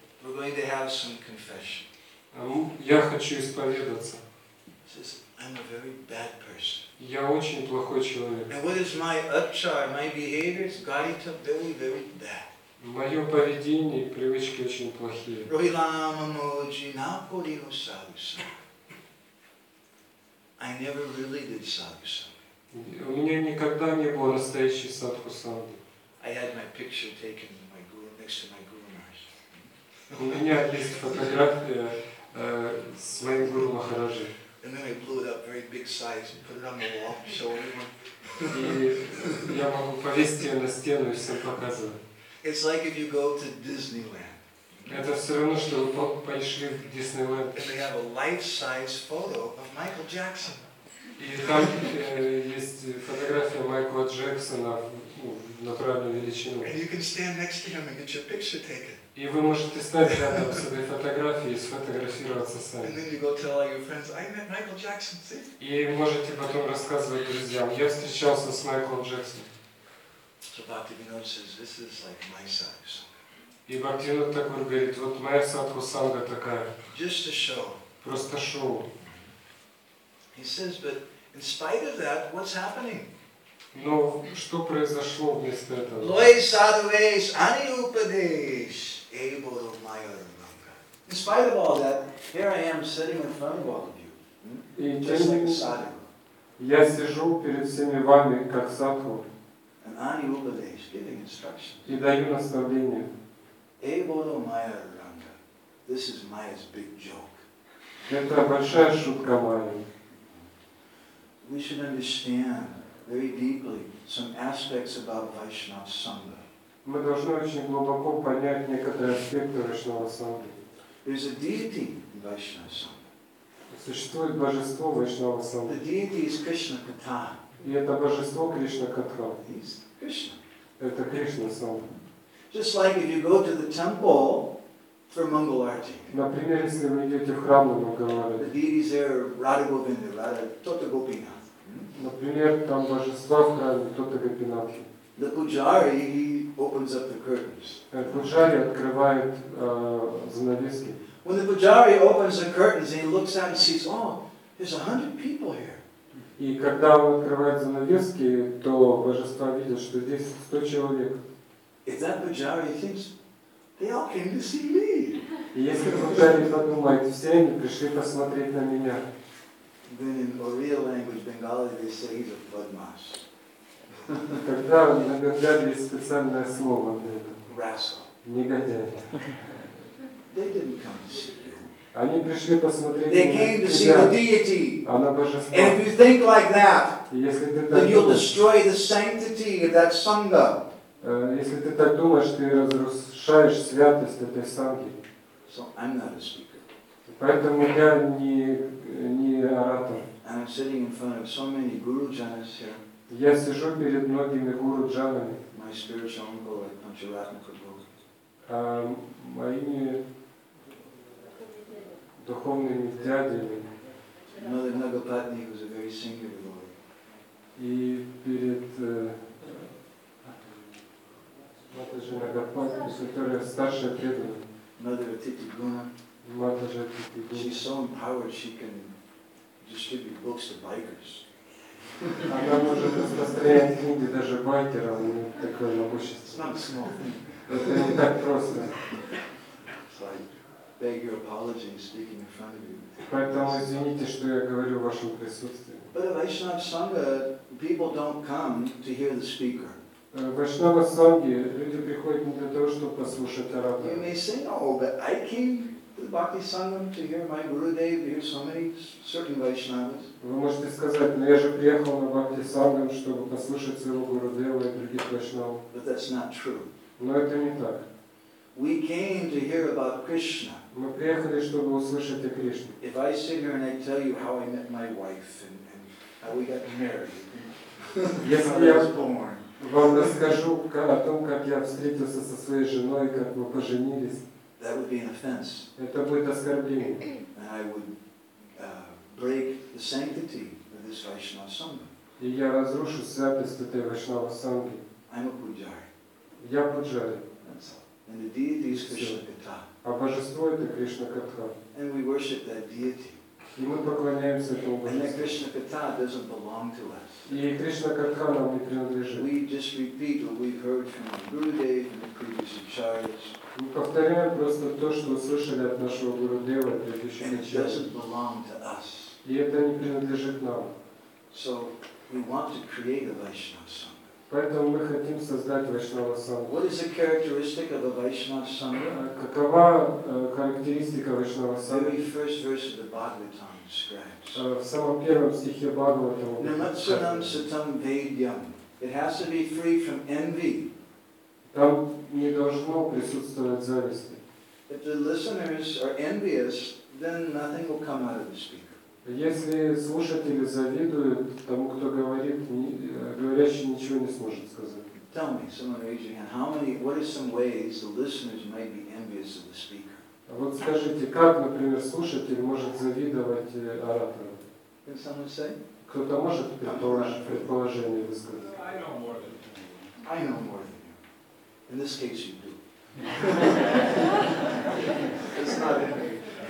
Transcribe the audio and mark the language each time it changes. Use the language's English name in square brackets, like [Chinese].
[English] We're going to have some confession. [Russian] Я хочу исповедаться. [English] Says, I'm a very bad person. [Russian] Я очень плохой человек. [English] And what is my achar? My behavior is Гарита very, very bad. [Russian] Мое поведение и привычки очень плохие. Ройлама Моджи Накури Усагуса. [English] I never really did Сагуса. [Russian] У меня никогда не было настоящей садху-санги. [English] I had my picture taken my guru, next to my guru Maharaj. [Russian] У меня есть фотография с моим гуру Махараджи. [English] And then I blew it up very big size and put it on the wall, show everyone. [Russian] И я могу повесить ее на стену и всем показывать. [English] It's like if you go to Disneyland. [Russian] Это все равно, что вы пошли в Диснейленд. [English] And they have a life-size photo of Michael Jackson. [Russian] И там есть фотография Майкла Джексона в натуральную величину. [English] And you can stand next to him and get your picture taken. [Russian] И вы можете стать рядом с этой фотографией и сфотографироваться сами. [English] And then you go tell all your friends, I met Michael Jackson, see? [Russian] И можете потом рассказывать друзьям, я встречался с Майклом Джексоном. [English] So Bhaktivinoda says, this is like my sadhu sangha. [Russian] И Бхактивинода Такур говорит, вот моя садху санга такая. [English] Just a show. [Russian] Просто шоу. [English] He says, but in spite of that, what's happening? [Russian] Но что произошло вместо этого? [Bangla] Лои садвеш аниупадеш эйбору майоранга. [English] In spite of all that, here I am sitting in front of all of you, just like a sadhu. [Russian] Я сижу перед всеми вами как садху. [English] And аниупадеш giving instructions. [Russian] И даю наставление. [Bangla] Эйбору майоранга. [English] This is Maya's big joke. [Russian] Это большая шутка Майи. [English] We should understand very deeply some aspects about Vaishnava Sangha. [Russian] Мы должны очень глубоко понять некоторые аспекты Вайшнава Сангхи. [English] There's a deity in Vaishnava Sangha. [Russian] Существует божество Вайшнава Сангхи. [English] The deity is Krishna Katha. [Russian] И это божество Кришна Катха. [English] He's Krishna. [Russian] Это Кришна сам. [English] Just like if you go to the temple for Mangal Arati. [Russian] Например, если вы идете в храм на Мангал Арати. [English] The deities there are Radha Govinda, Radha Tota Gopinath. [Russian] Например, там божества в храме Тота Гопинатхи. [English] The pujari, he opens up the curtains. [Russian] Пуджари открывает занавески. [English] When the pujari opens the curtains, he looks out and sees, oh, there's 100 people here. [Russian] И когда он открывает занавески, то божества видят, что здесь 100 человек. [English] If that pujari thinks, they all came to see me. [Russian] Если пуджари подумают, все они пришли посмотреть на меня. [English] Then in Oriya language, Bengali, they say he's a budmash. [Russian] Тогда в Бенгали есть специальное слово для этого. [English] Rascal. [Russian] Негодяй. [English] They didn't come to see you. [Russian] Они пришли посмотреть. [English] They came to see the deity. [Russian] А на божество. [English] And if you think like that, [Russian] если ты так [English] then you'll destroy the sanctity of that sangha. [Russian] Если ты так думаешь, ты разрушаешь святость этой санги. [English] So I'm not a speaker. [Russian] Поэтому я не оратор. [English] And I'm sitting in front of so many guru janas here. [Russian] Я сижу перед многими гуру джанами. [English] My spiritual uncle, like Panchavatna Kudu. [Russian] Моими духовными дядями. [English] Another Nagapatni who's a very singular guru. [Russian] И перед Матаджи Нагапатни, которая старшая преданная. [English] Mother Atiti Guna. [Russian] Матаджи Атити Гуна. [English] She's so empowered, she can distribute books to bikers. [Russian] Она может распространять книги даже байкерам, у нее такое могущество. Это не так просто. [English] Beg your apology and speaking in front of you. [Russian] Поэтому извините, что я говорю в вашем присутствии. [English] But in Vaishnava Sangha, people don't come to hear the speaker. [Russian] В Вайшнава Санге люди приходят не для того, чтобы послушать оратора. [English] You may say, no, but I came to the Bhakti Sangam to hear my Gurudev, hear so many certain Vaishnavas. [Russian] Вы можете сказать, но я же приехал на Бхакти Сангам, чтобы послушать своего Гурудева и других Вайшнава. [English] But that's not true. [Russian] Но это не так. [English] We came to hear about Krishna. [Russian] Мы приехали, чтобы услышать о Кришне. [English] If I sit here and I tell you how I met my wife and how we got married, [Russian] если я вам расскажу о том, как я встретился со своей женой, как мы поженились, [English] that would be an offense. [Russian] Это будет оскорбление. [English] And I would break the sanctity of this Vaishnava Sangha. [Russian] И я разрушу святость этой Вайшнава Сангхи. [English] I'm a Pujari. [Russian] Я Пуджари. [English] That's all. And the deity is Krishna Katha. [Russian] А божество это Кришна Катха. [English] And we worship that deity. [Russian] И мы поклоняемся этому божеству. [English] And that Krishna Katha doesn't belong to us. [Russian] И Кришна Катха нам не принадлежит. [English] We just repeat what we've heard from Gurudev and the previous acharyas. [Russian] Мы повторяем просто то, что услышали от нашего Гурудева и предыдущих [English] And it doesn't belong to us. [Russian] И это не принадлежит нам. [English] So we want to create a Vaishnava. [Russian] Поэтому мы хотим создать Вайшнава Сангу. [English] What is the characteristic of a Vaishnava Sangha? [Russian] Какова характеристика Вайшнава Сангу? [English] The first verse of the Bhagavatam scratch. [Russian] В самом первом стихе Бхагаватам. [Sanskrit] Namatsanam satam vedyam. [English] It has to be free from envy. [Russian] Там не должно присутствовать зависти. [English] If the listeners are envious, then nothing will come out of the speaker. [Russian] Если слушатели завидуют тому, кто говорит, говорящий ничего не сможет сказать. [English] Tell me, someone raise your hand. What are some ways the listeners might be envious of the speaker? [Russian] Вот скажите, как, например, слушатель может завидовать оратору? [English] Can someone say? [Russian] Кто-то может предположение высказать? [English] I know more than you. I know more than you. In this case, you do. It's not envy.